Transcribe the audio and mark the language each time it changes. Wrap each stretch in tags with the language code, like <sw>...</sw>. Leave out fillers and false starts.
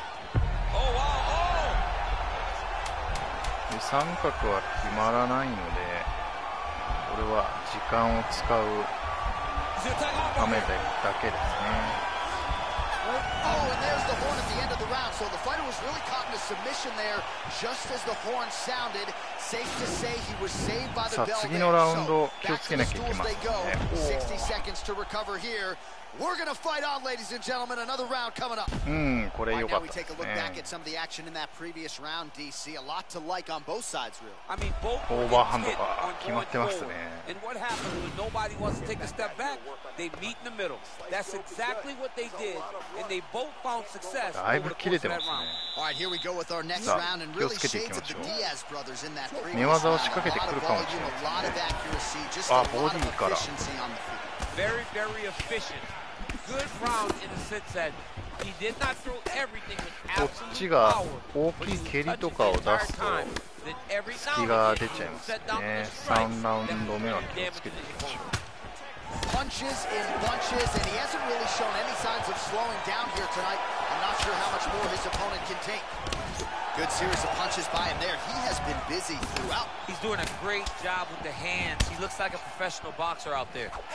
<ja>で三角は決まらないのでこれは時間を使うためだけですね。</ja> <en>Oh, and there's the horn at the end of the round. So the fighter was really caught in a submission there just as the horn sounded. Safe to say he was saved by the bell.</en> <ja>次のラウンド気をつけなきゃいけませんね。</ja> <en>60 seconds to recover here. We're going to fight on, ladies and gentlemen. Another round coming up.</en> <ja>これ良かったですね。</ja> <en>Now we take a look back at some of the action in that previous round, DC. A lot to like on both sides, really. I mean, both</en> <ja>オーバーハンドが決まってますね。</ja> <en>And what happens when nobody wants to take a step back? They meet in the middle. That's exactly what they did. And they both found success.</en> <ja>だいぶ切れてますね。</ja> <en>All right, here we go with our next round. And really shades of the Diaz brothers in that previous round.</en> <ja>寝技を仕掛けてくるかもしれない。</ja> <en>A lot of accuracy, just a lot of efficiency on the field. Very, very efficient. Good round in the sense that he did not throw everything with absolute power.</en> <ja>こっちが大きい蹴りとかを出すと隙が出ちゃいますね。 3ラウンド目は気をつけていきましょう。</ja> <en>Punches in bunches, and he hasn't really shown any signs of slowing down here tonight. I'm not sure how much more his opponent can take. Good series of punches by him there. He has been busy throughout. He's doing a great job with the hands. He looks like a professional boxer out there.</en>